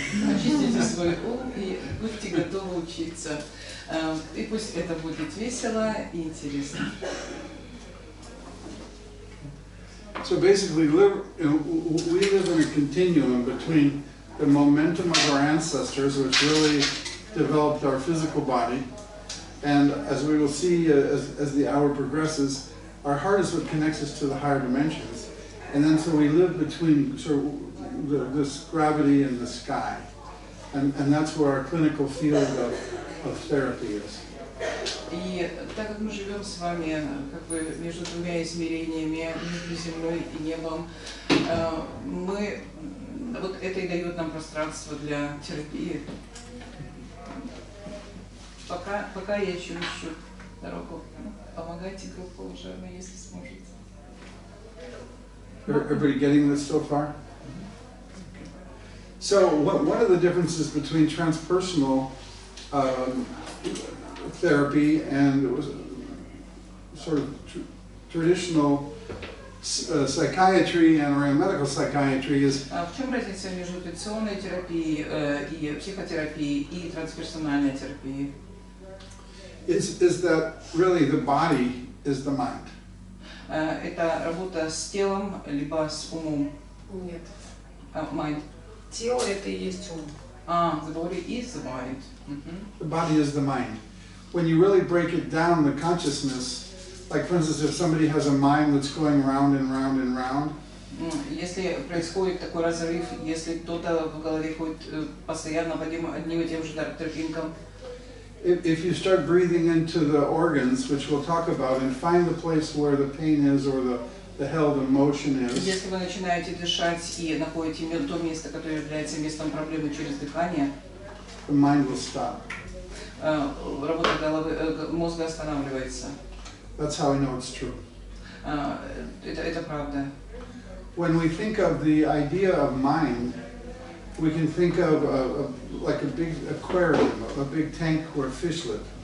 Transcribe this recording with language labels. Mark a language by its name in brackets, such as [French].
[Russian] Очистите свой ум и будьте готовы учиться. И пусть это будет весело и интересно. [English] So basically, we live in a continuum between the momentum of our ancestors, which really developed our physical body, and as we will see as the hour progresses, our heart is what connects us to the higher dimensions, and then so we live between sort of this gravity and the sky, and that's where our clinical field of therapy is. [Russian] И так как мы живем с вами как бы между двумя измерениями, между землей и небом, мы вот это и дает нам пространство для терапии. Пока я еще ищу дорогу. Помогайте группу уже, если сможете. [English] Everybody getting this so far? So what one of the differences between transpersonal therapy and it was sort of traditional psychiatry and our medical psychiatry is. [Russian] В чем разница между традиционной терапией и психотерапией и трансперсональной терапией? [English] Is that really the body is the mind? [Russian] Это работа с телом либо с умом? Нет. [English] Mind. [Russian] Тело это и есть ум. [English] The body is the mind. The body is the mind. When you really break it down, the consciousness, like for instance, if somebody has a mind that's going round and round and round. [Russian] Если происходит такой разрыв, если кто-то в голове ходит постоянно по одним и тем же тропинкам. [English] If you start breathing into the organs, which we'll talk about, and find the place where the pain is or the held emotion is. [Russian] Если вы начинаете дышать и находите то место, которое является местом проблемы через дыхание. [English] The mind will stop. [Russian] Работа головы, мозга останавливается. [English] That's how I know it's true. [Russian] Это правда. [English] When we think of the idea of mind, we can think of like a big aquarium, a big tank where fish live.